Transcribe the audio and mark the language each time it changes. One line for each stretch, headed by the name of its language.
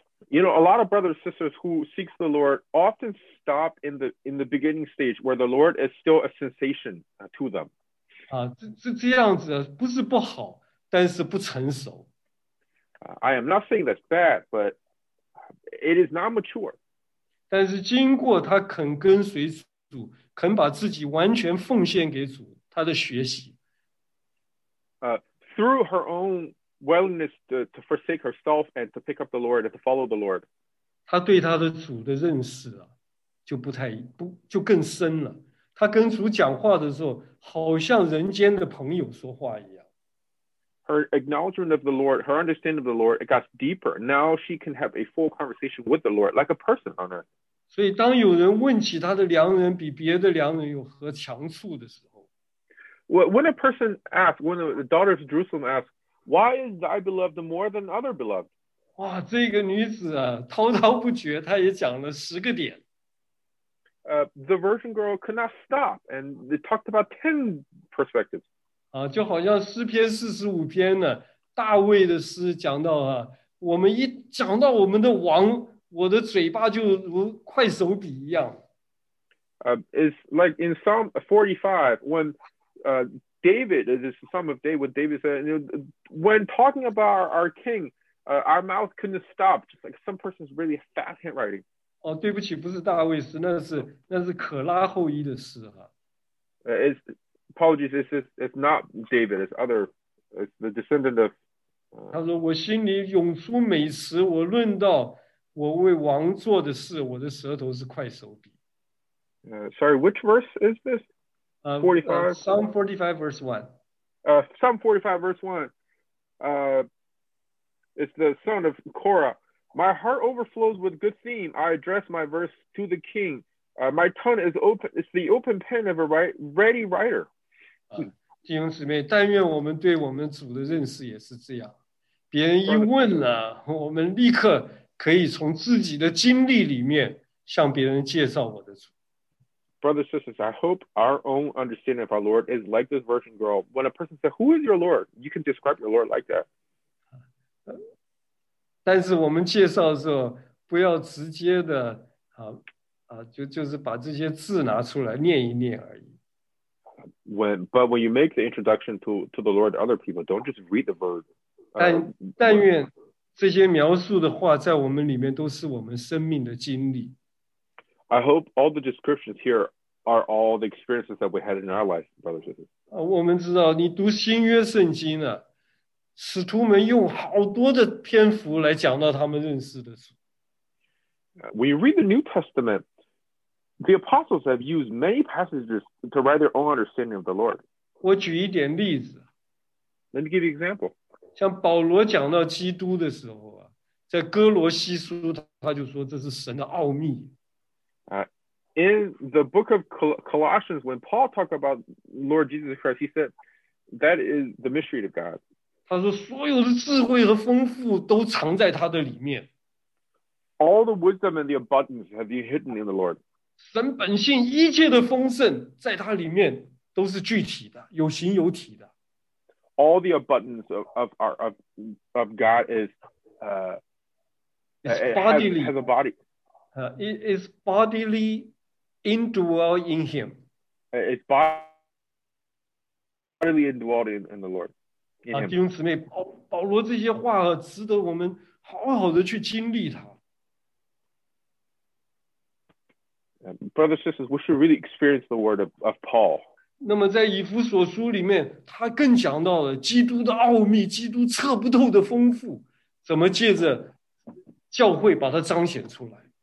English: You know, a lot of brothers and sisters who seek the Lord often stop in the beginning stage where the Lord is still a sensation to them.
Chinese: 这样子不是不好，但是不成熟。
English: I am not saying that's bad, but it is not mature.
Chinese: 但是经过他肯跟随主，肯把自己完全奉献给主，他的学习。
English: Through her own willingness to forsake herself and to pick up the Lord and to follow the Lord,
Chinese: 他对他的主的认识啊，就不太不就更深了。他跟主讲话的时候，好像人间的朋友说话一样。
English: Her acknowledgement of the Lord, her understanding of the Lord, it got deeper. Now she can have a full conversation with the Lord, like a person on earth.
Chinese: 所以当有人问起他的良人比别的良人有何强处的时候，
English: When a person asks, when the daughters of Jerusalem ask, why is thy beloved more than other beloved?
Chinese: 哇，这个女子啊，滔滔不绝，她也讲了十个点。
English: The virgin girl could not stop, and they talked about 10 perspectives.
Chinese: 啊，就好像诗篇四十五篇呢，大卫的诗讲到啊，我们一讲到我们的王，我的嘴巴就如快手笔一样。
English: It's like in Psalm 45, when David, this is Psalm of David, when David said, you know, when talking about our king, our mouth couldn't stop, just like some person's really fast handwriting.
Chinese: 哦，对不起，不是大卫诗，那是可拉后裔的诗哈。
English: It's, apologies, it's not David, it's other, it's the descendant of.
Chinese: 他说："我心里涌出美食，我论到我为王做的事，我的舌头是快手笔。"
English: Sorry, which verse is this? 45? Psalm 45, verse 1. Psalm 45, verse 1. It's the son of Korah. My heart overflows with good theme. I address my verse to the king. My tongue is open. It's the open pen of a ready writer.
Chinese: 弟兄姊妹，但愿我们对我们主的认识也是这样。别人一问了，我们立刻可以从自己的经历里面向别人介绍我的主。
English: Brothers and sisters, I hope our own understanding of our Lord is like this virgin girl. When a person says, who is your Lord? You can describe your Lord like that.
Chinese: 但是我们介绍的时候不要直接的、就是把这些字拿出来念一念而已。
English: But when you make the introduction to the Lord to other people, don't just read the verse.
Chinese: 但愿这些描述的话在我们里面都是我们生命的经历。
English: I hope all the descriptions here are all the experiences that we had in our lives, brothers and sisters.
Chinese: 我们知道你读新约圣经呢，使徒们用好多的篇幅来讲到他们认识的主。
English: When you read the New Testament, the apostles have used many passages to write their own understanding of the Lord.
Chinese: 我举一点例子。
English: Let me give you an example.
Chinese: 像保罗讲到基督的时候啊，在哥罗西书他就说这是神的奥秘。
English: In the book of Colossians, when Paul talked about Lord Jesus Christ, he said that is the mystery of God.
Chinese: 他说所有的智慧和丰富都藏在他的里面。
English: All the wisdom and the abundance have been hidden in the Lord.
Chinese: 神本性一切的丰盛在他里面都是具体的，有形有体的。
English: All the abundance of God is bodily. Has a body. It is bodily indwell in him. It's bodily indwelled in the Lord. In
Chinese: 弟兄姊妹，保罗这些话值得我们好好的去经历它。
English: Brothers, sisters, we should really experience the word of Paul.
Chinese: 那么在以弗所书里面，他更讲到了基督的奥秘，基督测不透的丰富，怎么借着教会把它彰显出来。